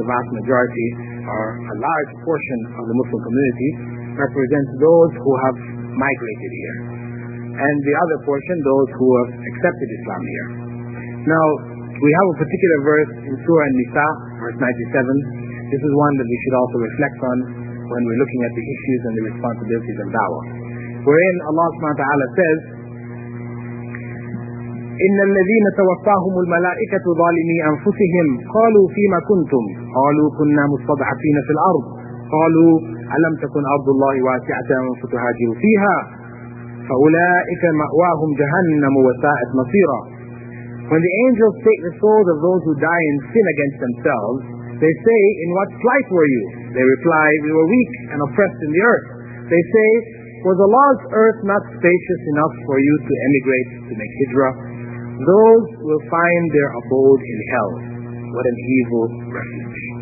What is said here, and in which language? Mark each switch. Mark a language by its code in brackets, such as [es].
[en] The vast majority, or a large portion of the Muslim community, represents those who have migrated here, and the other portion, those who have accepted Islam here. Now, we have a particular verse in Surah An-Nisa, verse 97. This is one that we should also reflect on when we're looking at the issues and the responsibilities of da'wah. Wherein Allah subhanahu wa ta'ala says, [ar] إِنَّ الَّذِينَ تَوَفَّاهُمُ الْمَلَائِكَةُ ظَالِمِي أَنفُسِهِمْ قَالُوا فِيمَ كُنْتُمْ قَالُوا كُنَّا مُسْتَضْعَفِينَ فِي الْأَرْضِ قَالُوا أَلَمْ تَكُنْ أَرْضُ اللَّهِ وَاسِعَةً فَتُهَاجِرُوا فِيهَا فأولئك مأواهم جهنم وساءت مصيرا. [en] When the angels take the souls of those who die in sin against themselves, they say, "In what plight were you?" They reply, "We were weak and oppressed in the earth." They say, "Was Allah's earth not spacious enough for you to emigrate to make hijrah?" Those will find their abode in hell. What an evil refuge.